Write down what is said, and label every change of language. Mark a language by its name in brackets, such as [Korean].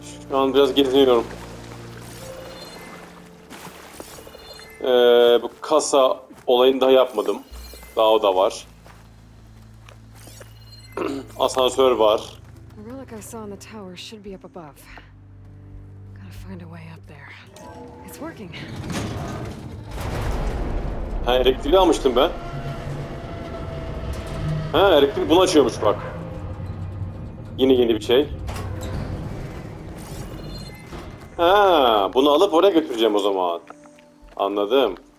[Turkish] Şu an biraz geziniyorum. Bu kasa olayını daha yapmadım. Daha o da var. Asansör var. [English] Relic I saw in the tower should be up above. Gotta find a way up there. It's working. [Turkish] Ha, elektriği almıştım ben. Ha, elektrik bunu açıyormuş bak. Yeni yeni bir şey. Ha, bunu alıp oraya götüreceğim o zaman. Anladım.